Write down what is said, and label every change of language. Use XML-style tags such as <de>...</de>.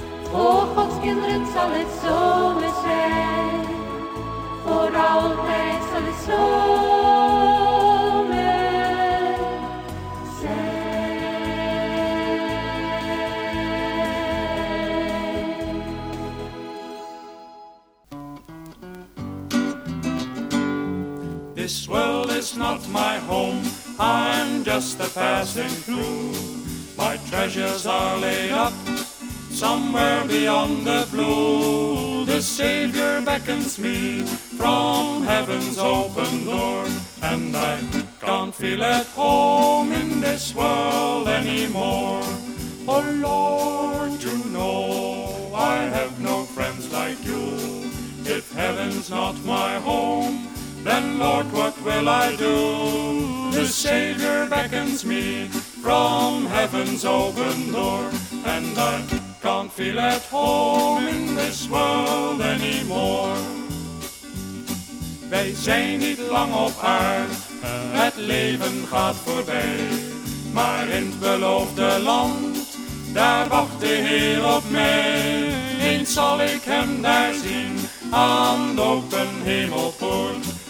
<nl>Voor Gods kinderen zal het zomer zijn, voor altijd zal het zomer zijn.</nl> <en>This world is not my home, I'm just a passing through. My treasures are laid up somewhere beyond the blue. The Savior beckons me from heaven's open door, and I can't feel at home in this world anymore. Oh Lord, you know I have no friends like you. If heaven's not my home, then Lord, what will I do? The Savior beckons me from heaven's open door, and I can't feel at home in this world anymore.</en> <nl>Wij zijn niet lang op aarde, het leven gaat voorbij. Maar in het beloofde land, daar wacht de Heer op mij. Eens zal ik hem daar zien, aan de open hemelpoort.</nl>